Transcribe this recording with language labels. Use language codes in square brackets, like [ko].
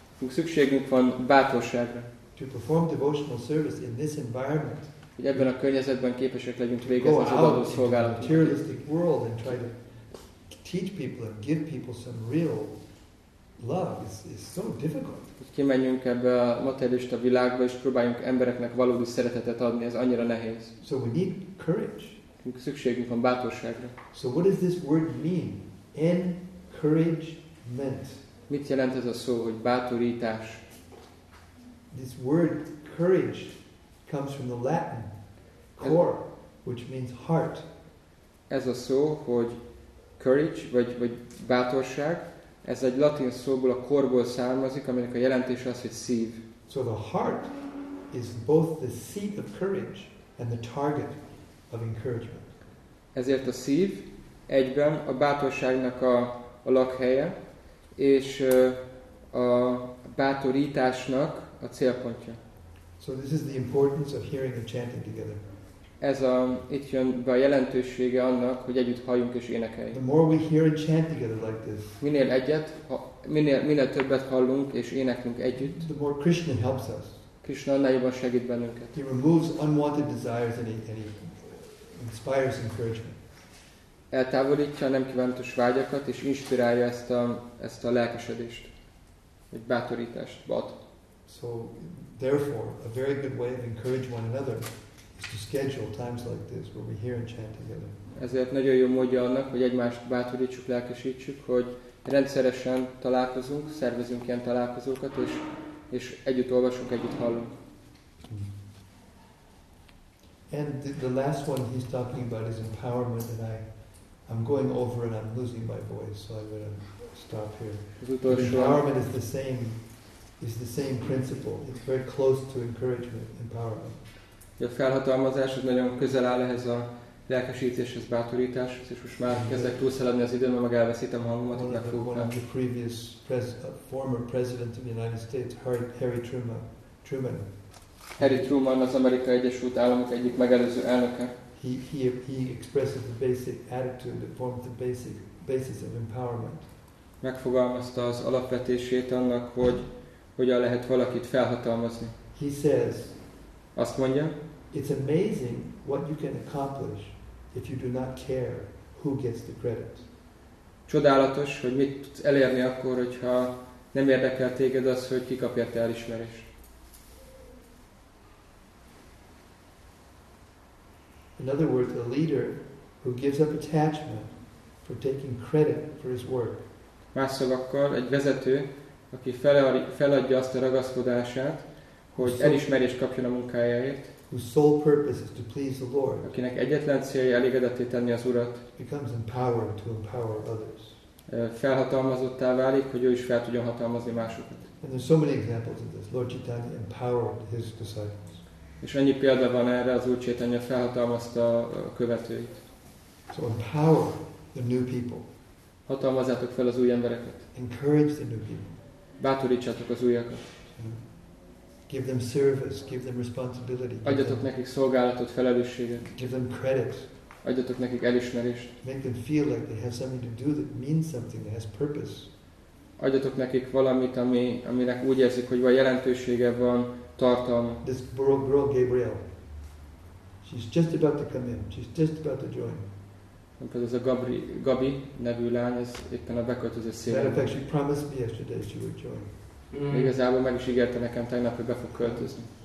[hu] Szükségünk van bátorságra. [en] To perform devotional service in this environment. [hu] Hogy ebben a környezetben képesek legyünk végezni az adó szolgálatot. [en] Go out into the materialistic world and try to teach people and give people some real love is so difficult. [hu] Hogy kimenjünk ebbe a materialista világba és próbáljunk embereknek valódi szeretetet adni, ez annyira nehéz. [en] So we need courage. [hu] Szükségünk van bátorságra. [en] So what does this word mean? Encouragement. [hu] Mit jelent ez a szó, hogy bátorítás? [en] This word courage comes from the Latin cor, which means heart. [hu] Ez a szó, hogy courage vagy bátorság, ez egy latin szóból, a korból származik, aminek a jelentése az, hogy szív. [en] So the heart is both the seat of courage and the target of encouragement. [hu] Ezért a szív egyben a bátorságnak a lakhelye és a bátorításnak a célpontja. [en] So this is the importance of hearing and chanting together. [hu] Ez a itt jön be a jelentősége annak, hogy együtt halljunk és énekeljünk. [en] The more we hear and chant together like this. [hu] Minél többet hallunk és énekünk együtt. [en] The more Krishna helps us. [hu] Krishna annál jobban segít bennünket. [en] He removes unwanted desires and inspires encouragement. [hu] Eltávolítja a nem kívánatos vágyakat és inspirálja ezt a lelkesedést, egy bátorítást ad. [en] So therefore, a very good way of encouraging one another is to schedule times like this where we hear and chant together. [hu] Ezért nagyon jó módja annak, hogy egymást bátorítsuk, lelkesítsük, hogy rendszeresen találkozunk, szervezünk ilyen találkozókat, és együtt olvasunk, együtt hallunk. [en] And the last one he's talking about is empowerment, and I'm going over and I'm losing my voice, so I'm going to stop here. Empowerment is the same principle. It's very close to encouragement, empowerment. [hu] A felhatalmazás az nagyon közel áll ehhez a lelkesítéshez, bátorításhoz, és most már kezdek túlszaladni az időn, mert meg elveszítem a hangomat, hogy megfogom. [en] One of the previous former president of the United States, Harry Truman. [hu] Harry Truman, az Amerikai Egyesült Államok egyik megelőző elnöke. [en] He expresses the basic attitude that forms the basis of empowerment. [hu] Megfogalmazta az alapvetését annak, hogy hogyan lehet valakit felhatalmazni. [en] He says, [hu] azt mondja, [en] it's amazing what you can accomplish if you do not care who gets the credit. [hu] Csodálatos, hogy mit tudsz elérni akkor, hogyha nem érdekel téged az, hogy ki kapja te elismerést. [en] In other words, a leader who gives up attachment for taking credit for his work. [hu] Más szavakkal, egy vezető, aki feladja azt a ragaszkodását, hogy elismerést kapjon a munkájáért. [en] Whose sole purpose is to please the Lord. [hu] Akinek egyetlen célja elégedetté tenni az Urat. [en] Becomes empowered to empower others. [hu] Felhatalmazottá válik, hogy ő is fel tudjon hatalmazni másokat. [en] And there's so many examples of this. Lord Chaitanya empowered his disciples. [hu] És annyi példa van erre, az Úr Chaitanya felhatalmazta a követőit. [en] So empower the new people. [hu] Hatalmazzátok fel az új embereket. [en] Encourage the new people. [hu] Bátorítsátok az újakat. [en] Give them service, give them responsibility. [hu] Adjatok nekik szolgálatot, felelősséget. [en] Give them credit. [hu] Adjatok nekik elismerést. [en] Make them feel like they have something to do that means something, that has purpose. [hu] Adjatok nekik valamit, aminek úgy érzik, hogy van jelentősége, van tartalma. [en] This girl Gabriel. She's just about to come in. She's just about to join. [hu] Amikor ez a Gabi nevű lány, ez éppen a beköltöző szélén. [en] Matter of fact, she promised me yesterday she would join. [hu] Igazából meg is ígérte nekem tegnap, hogy be fog költözni.